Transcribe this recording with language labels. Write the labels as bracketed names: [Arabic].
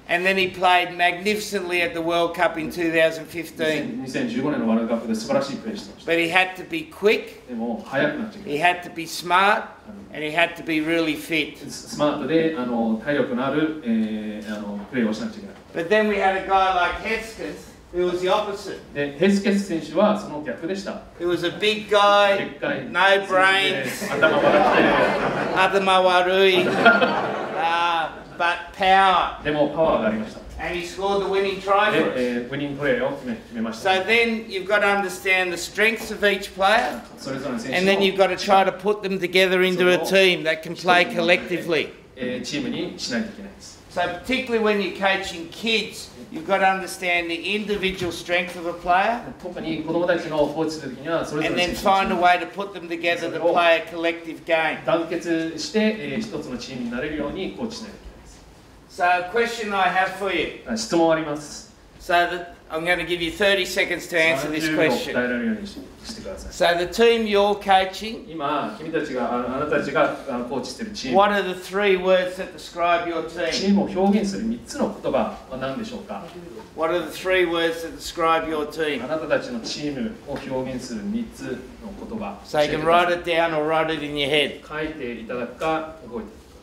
[English] And then he played magnificently at the World Cup in 2015. 2015 [Japanese] 年のワールドカップで素晴らしいプレーしてました。 [English] But he had to be quick. [Japanese] でも速くなっちゃった。 [English] He had to be smart, and he had to be really fit. [Japanese] スマートで体力のあるプレーをしなくちゃいけない。 [English] But then we had a guy like Heskes, who was the opposite. [Japanese] で、ヘスケス選手はその逆でした。 [English] He was a big guy, no brains. [Japanese] 頭悪い。 [English] But power. [Japanese] でもパワーがありました。 [English] And he scored the winning try for [Japanese] us. ウィニングプレーを決めました。 [English] So then you've got to understand the strengths of each player. [Japanese] それぞれの選手の。 [English] And then you've got to try to put them together into a team that can play collectively. [Japanese] チームにしないといけないです。 [English] So particularly when you're coaching kids, you've got to understand the individual strength of a player. [Japanese] 特に子供たちのコーチする時にはそれぞれの選手の。 [English] And then find a way to put them together to play a collective game. [Japanese] 団結して一つのチームになれるようにコーチしないといけない。 [English] So a question I have for you. [Japanese] 質問あります。 [English] So that I'm going to give you 30 seconds to answer this question. [Japanese] 30秒答えられるようにしてください。 [English] So the team you're coaching. [Japanese] 今君たちがあなたたちがコーチしているチーム。 [English] What are the three words that describe your team? [Japanese] チームを表現する3つの言葉は何でしょうか。 [English] What are the three words that describe your team? [Japanese] あなたたちのチームを表現する3つの言葉。 [English] So you can write it down or write it in your head. [Japanese] 書いていただくか覚えて。